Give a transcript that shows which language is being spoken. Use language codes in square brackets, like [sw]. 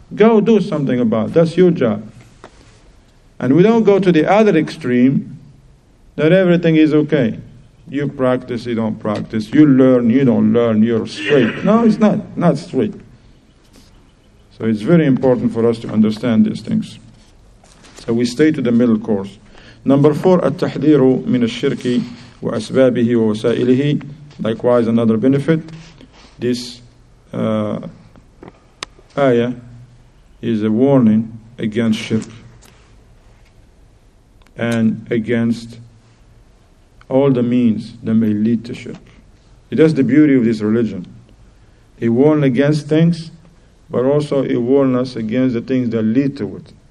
[en] Go do something about it. That's your job. And we don't go to the other extreme, that everything is okay. You practice, you don't practice. You learn, you don't learn. You're straight. No, it's not straight. So it's very important for us to understand these things. So we stay to the middle course. Number four, [ar] التحذير من الشرك وأسبابه ووسائله. [en] Likewise, another benefit. This ayah is a warning against shirk and against all the means that may lead to shirk. That's the beauty of this religion. It warns against things, but also it warns us against the things that lead to it.